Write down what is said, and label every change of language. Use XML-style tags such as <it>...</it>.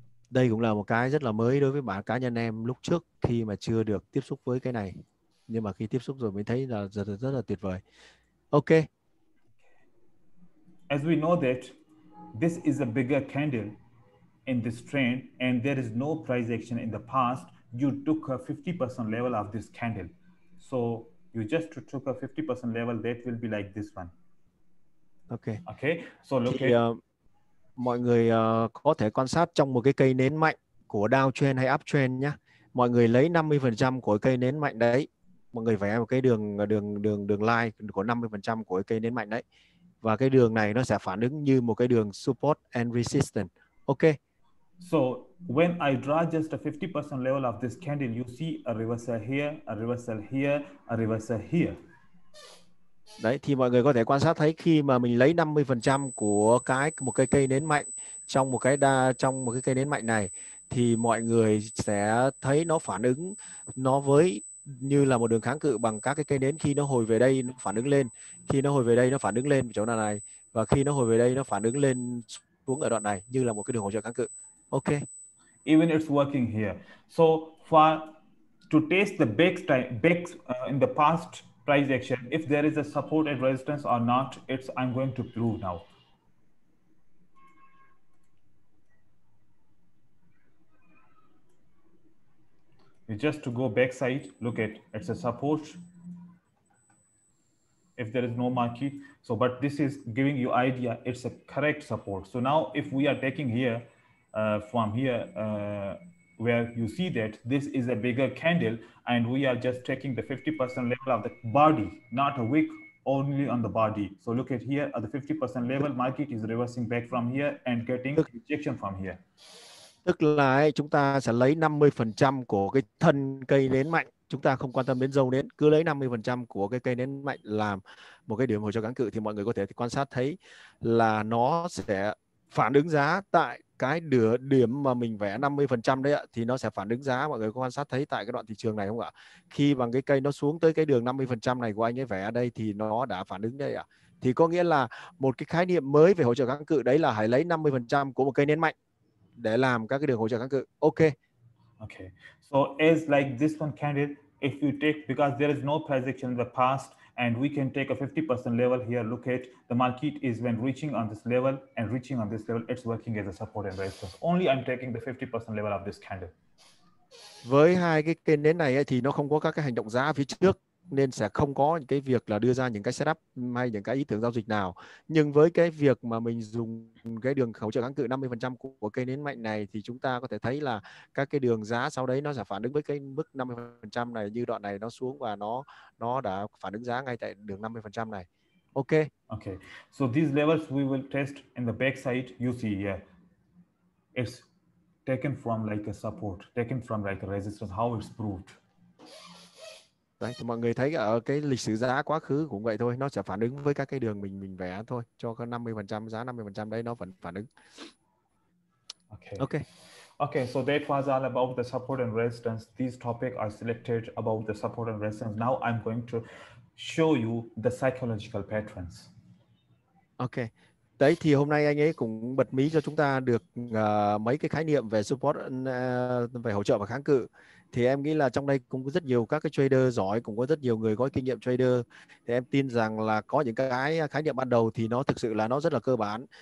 <vi>Đây cũng là một cái rất là mới đối với bản cá nhân em lúc trước khi mà chưa được tiếp xúc với cái này. Nhưng mà khi tiếp xúc rồi mới thấy là rất là tuyệt vời.</vi> <en>Ok. As we know that this is a bigger candle in this trend and there is no price action in the past, you took a 50% level of this candle. So you just took a 50% level that will be like this one. Okay. So look at...</en> <vi>mọi người có thể quan sát trong một cái cây nến mạnh của downtrend hay uptrend nhé. Mọi người lấy 50% của cây nến mạnh đấy. Mọi người vẽ một cái đường line của 50% của cây nến mạnh đấy. Và cái đường này nó sẽ phản ứng như một cái đường support and resistance.</vi> <en>Ok. So when I draw just a 50% level of this candle, you see a reversal here, a reversal here, a reversal here.</en> <vi>Đấy, thì mọi người có thể quan sát thấy khi mà mình lấy 50% của một cái cây nến mạnh trong một cái cây nến mạnh này, thì mọi người sẽ thấy nó phản ứng nó với như là một đường kháng cự bằng các cái cây nến. Khi nó hồi về đây nó phản ứng lên, khi nó hồi về đây nó phản ứng lên chỗ này, và khi nó hồi về đây nó phản ứng lên xuống ở đoạn này như là một cái đường hỗ trợ kháng cự.</vi> <en>Ok. Even it's working here. So for to test the backs in the past price action, if there is a support and resistance or not, it's I'm going to prove now. Just to go backside, look at it's a support. If there is no marquee, so but this is giving you idea it's a correct support. So now if we are taking here from here where you see that this is a bigger candle and we are just taking the 50% level of the body, not a wick, only on the body. So look at here at the 50% level, marquee is reversing back from here and getting rejection from here.</en> <vi>Tức là ấy, chúng ta sẽ lấy 50% của cái thân cây nến mạnh, chúng ta không quan tâm đến dâu nến, cứ lấy 50% của cái cây nến mạnh làm một cái điểm hỗ trợ kháng cự, thì mọi người có thể quan sát thấy là nó sẽ phản ứng giá tại cái điểm mà mình vẽ 50% đấy ạ, thì nó sẽ phản ứng giá, mọi người có quan sát thấy tại cái đoạn thị trường này không ạ? Khi bằng cái cây nó xuống tới cái đường 50% này của anh ấy vẽ ở đây thì nó đã phản ứng đây ạ. Thì có nghĩa là một cái khái niệm mới về hỗ trợ kháng cự đấy là hãy lấy 50% của một cây nến mạnh để làm các cái đường hỗ trợ kháng cự.</vi> <en>Okay. So as like this one candle, if you take because there is no price action in the past and we can take a 50% level here. Look at the market is when reaching on this level and reaching on this level, it's working as a support and resistance. Only I'm taking the 50% level of this candle.</en> <vi>Với hai cái cây nến này ấy, thì nó không có các cái hành động giá phía trước nên sẽ không có những cái việc là đưa ra những cái setup hay những cái ý tưởng giao dịch nào. Nhưng với cái việc mà mình dùng cái đường hỗ trợ kháng cự 50% của cây nến mạnh này thì chúng ta có thể thấy là các cái đường giá sau đấy nó sẽ phản ứng với cái mức 50% này, như đoạn này nó xuống và nó đã phản ứng giá ngay tại đường 50% này.</vi> <en>Okay. So these levels we will test in the back side. You see here. It's taken from like a support, taken from like a resistance. How it's proved?</en> <vi>Đấy, mọi người thấy ở cái lịch sử giá quá khứ cũng vậy thôi, nó sẽ phản ứng với các cái đường mình vẽ thôi, cho cái 50% giá 50% đấy nó vẫn phản ứng.</vi> <en>Okay. Okay, so that was all about the support and resistance. These topics are selected about the support and resistance. Now I'm going to show you the psychological patterns. Okay.</en> <vi>Đấy thì hôm nay anh ấy cũng bật mí cho chúng ta được mấy cái khái niệm về support, về hỗ trợ và kháng cự. Thì em nghĩ là trong đây cũng có rất nhiều các cái trader giỏi, cũng có rất nhiều người có kinh nghiệm trader. Thì em tin rằng là có những cái khái niệm ban đầu thì nó thực sự là nó rất là cơ bản.</vi>